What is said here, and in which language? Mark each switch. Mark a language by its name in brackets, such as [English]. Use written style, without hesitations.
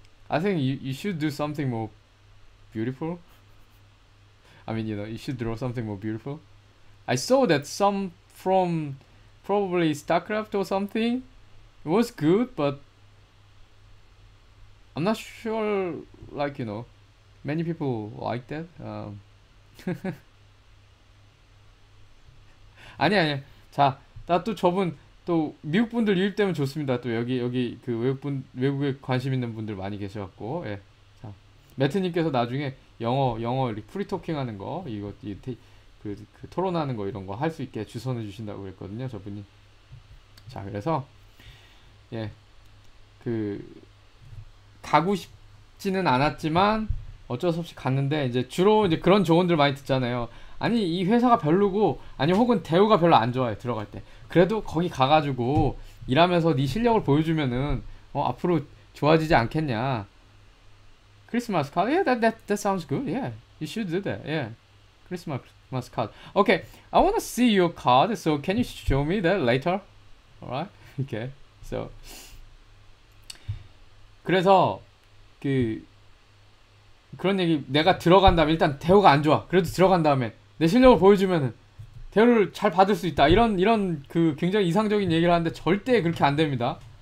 [English] I think you should do something more beautiful. I mean, you know, you should draw something more beautiful. I saw that some from probably StarCraft or something. It was good, but I'm not sure, like, you know, many people like that. [Korean] 아니, 아니. 자, 나또 저분, 또 미국 분들 유입되면 좋습니다. 또 여기 그 외국에 관심 있는 분들 많이 계셔갖고, 예. 자, 매트님께서 나중에 영어 프리토킹 하는 거, 이거, 이, 데, 그 토론하는 거 이런 거할수 있게 주선해 주신다고 그랬거든요, 저분이. 자, 그래서, 예. 가고 싶지는 않았지만 어쩔 수 없이 갔는데 이제 주로 이제 그런 조언들 많이 듣잖아요. 아니 이 회사가 별로고 아니 혹은 대우가 별로 안 좋아요 들어갈 때. 그래도 거기 가가지고 일하면서 네 실력을 보여주면은 앞으로 좋아지지 않겠냐. 크리스마스 카드. [English] Yeah, that sounds good. Yeah, you should do that. [Korean] Yeah, 크리스마스 카드. [English] Okay, I wanna see your card. So can you show me that later? Alright. Okay. So. [Korean] 그래서 그런 얘기 내가 들어간 다음에 일단 대우가 안 좋아. 그래도 들어간 다음에 내 실력을 보여주면은 대우를 잘 받을 수 있다. 이런 그 굉장히 이상적인 얘기를 하는데 절대 그렇게 안 됩니다.